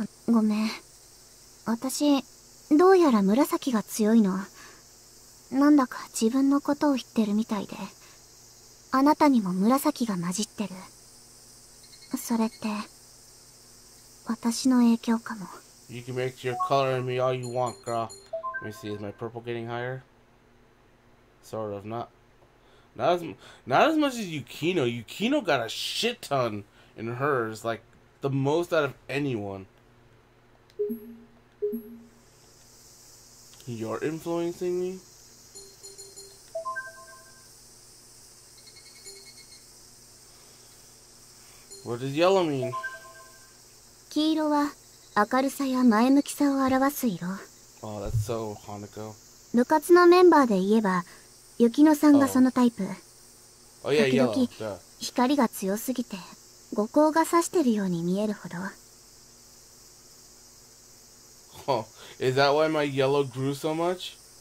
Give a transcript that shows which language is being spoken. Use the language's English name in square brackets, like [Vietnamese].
[Japanese] ごめん。私、どうやら紫が強いの。なんだか自分のことを言ってるみたいで。あなたにも紫が混じってる。それって、私の影響かも。 [English] You can make your color in me all you want, girl. Let me see, is my purple getting higher? Sort of, not. Not as much as Yukino. Yukino got a shit ton in hers, like, the most out of anyone. You're influencing me? What does yellow mean? [Japanese] 黄色は明るさや前向きさを表す色。 [English] Oh, that's so Hanako. [Japanese] 部活のメンバーで言えば、雪乃さんがそのタイプ。 [English] Oh. Oh yeah, yellow. [Japanese] 時々光が強すぎて、後光が差してるように見えるほど。 [English] Oh, is that why my yellow grew so much?